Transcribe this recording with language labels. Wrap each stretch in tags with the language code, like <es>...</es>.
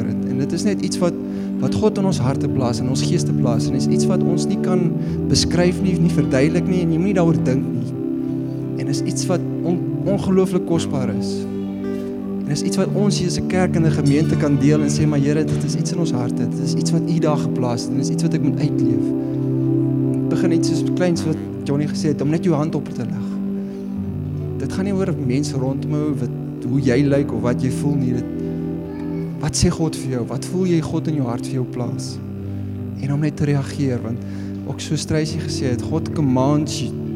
<af>En dit is net iets wat God in ons harte plaas en ons geeste plaas en is iets wat ons nie kan beskryf nie verduidelik nie en jy moet nie daaroor dink nie. En is iets wat ongelooflik kosbaar is. En is iets wat ons hier as 'n kerk en 'n gemeente kan deel en sê maar Here, dit is iets in ons harte. Dit is iets wat U daar geplaas het en is iets wat ek moet uitleef. Begin net soos kleins wat Johnny gesê het om net jou hand op te lig. Dit gaan nie oor mense rondom jou wat hoe jy lyk of wat jy voel nie. Wat sê God vir jou? Wat voel jy God in jou hart vir jou plaas? En om net te reageer, want ook so Strysie gesê het,</af> <en>God commands you.</en>